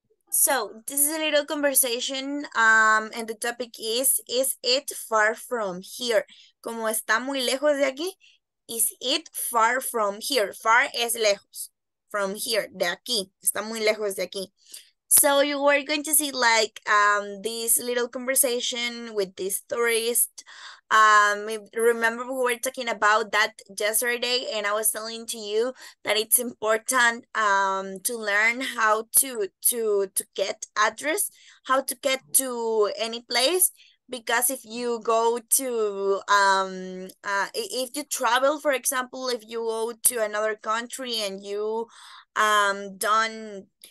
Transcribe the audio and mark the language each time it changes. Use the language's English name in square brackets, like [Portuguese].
[English] So, this is a little conversation, and the topic is it far from here? [Spanish] Como está muy lejos de aquí, [English] is it far from here? [Spanish] Far es lejos, [English] from here, [Spanish] de aquí, está muy lejos de aquí. [English] So, you are going to see, like, this little conversation with this tourist. Remember, we were talking about that yesterday, and I was telling to you that it's important to learn how to get address, how to get to any place, because if you go to, if you travel, for example, if you go to another country and you don't...